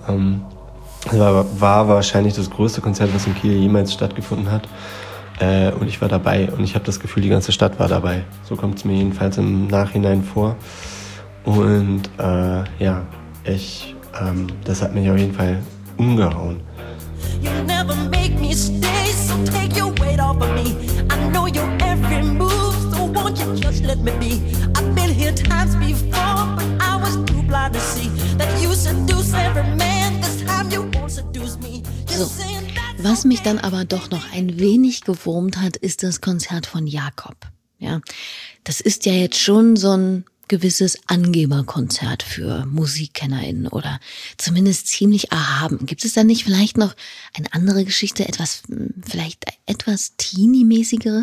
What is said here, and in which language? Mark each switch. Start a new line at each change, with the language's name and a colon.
German: War wahrscheinlich das größte Konzert, was in Kiel jemals stattgefunden hat. Und ich war dabei und ich habe das Gefühl, die ganze Stadt war dabei. So kommt es mir jedenfalls im Nachhinein vor. Und das hat mich auf jeden Fall umgehauen.
English: You never make me stay, so take your weight off of me. I know your every move, so won't you just let me be. I've been here times before, but I was too blind to see that you seduce every man, this time you won't seduce me.
German: Was mich dann aber doch noch ein wenig gewurmt hat, ist das Konzert von Jakob. Ja, das ist ja jetzt schon so ein gewisses Angeberkonzert für MusikkennerInnen oder zumindest ziemlich erhaben. Gibt es da nicht vielleicht noch eine andere Geschichte, etwas vielleicht etwas Teenie-mäßigeres?